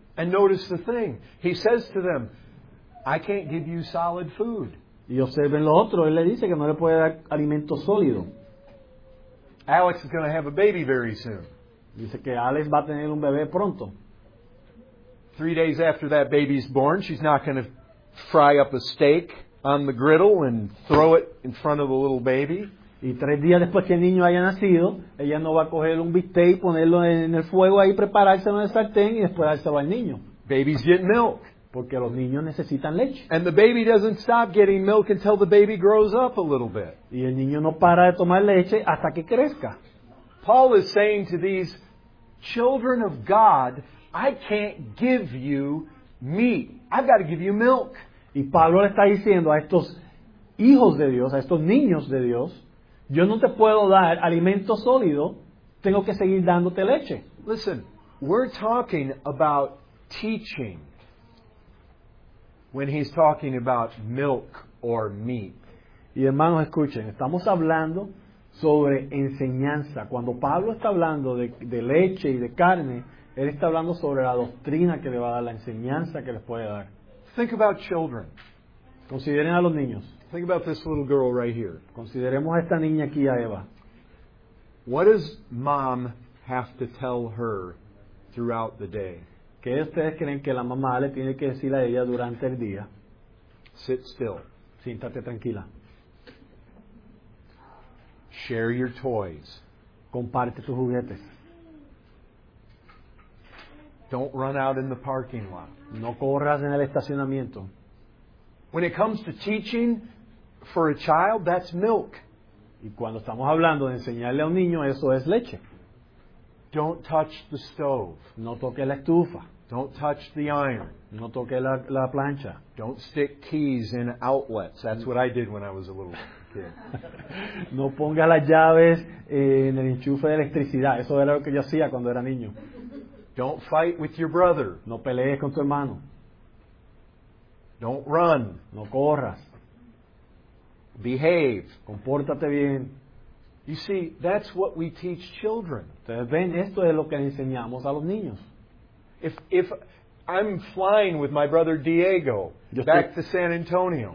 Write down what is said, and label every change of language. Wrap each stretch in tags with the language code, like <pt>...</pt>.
<en>And notice the thing. He says to them, I can't give you solid food.</en> <es>Y observen lo otro. Él le dice que no le puede dar alimento sólido.</es> <en>Alex is going to have a baby very soon.</en> <es>Dice que Alex va a tener un bebé pronto.</es> <en>3 days after that baby's born, she's not going to fry up a steak on the griddle and throw it in front of the little baby.</en> <es>Y 3 días después que el niño haya nacido, ella no va a coger un bistec y ponerlo en el fuego ahí, preparárselo en el sartén y después dárselo al niño.</es> <en>Babies get milk.</en> <es>Porque los niños necesitan leche.</es> <en>And the baby doesn't stop getting milk until the baby grows up a little bit.</en> <es>Y el niño no para de tomar leche hasta que crezca.</es> <en>Paul is saying to these children of God, I can't give you meat. I've got to give you milk.</en> <es>Y Pablo le está diciendo a estos hijos de Dios, a estos niños de Dios, yo no te puedo dar alimento sólido, tengo que seguir dándote leche.</es> <en>Listen, we're talking about teaching when he's talking about milk or meat.</en> <es>Y hermanos, escuchen, estamos hablando sobre enseñanza. Cuando Pablo está hablando de leche y de carne, él está hablando sobre la doctrina que le va a dar, la enseñanza que les puede dar.</es> <en>Think about children.</en> <es>Consideren a los niños.</es> <en>Think about this little girl right here.</en> <es>Consideremos a esta niña aquí, a Eva.</es> <en>What does mom have to tell her throughout the day?</en> <es>¿Qué ustedes creen que la mamá le tiene que decir a ella durante el día?</es> <en>Sit still.</en> <es>Siéntate tranquila.</es> <en>Share your toys.</en> <es>Comparte tus juguetes.</es> <en>Don't run out in the parking lot.</en> <es>No corras en el estacionamiento.</es> <en>When it comes to teaching for a child, that's milk.</en> <es>Y cuando estamos hablando de enseñarle a un niño, eso es leche.</es> <en>Don't touch the stove.</en> <es>No toque la estufa.</es> <en>Don't touch the iron.</en> <es>No toque la plancha.</es> <en>Don't stick keys in outlets. That's what I did when I was a little kid.</en> <es>No ponga las llaves en el enchufe de electricidad. Eso era lo que yo hacía cuando era niño.</es> <en>Don't fight with your brother.</en> <es>No pelees con tu hermano.</es> <en>Don't run.</en> <es>No corras.</es> <en>Behave.</en> <es>Compórtate bien.</es> <en>You see, that's what we teach children.</en> <es>Ustedes ven, esto es lo que enseñamos a los niños.</es> <en>If I'm flying with my brother Diego back to San Antonio.</en>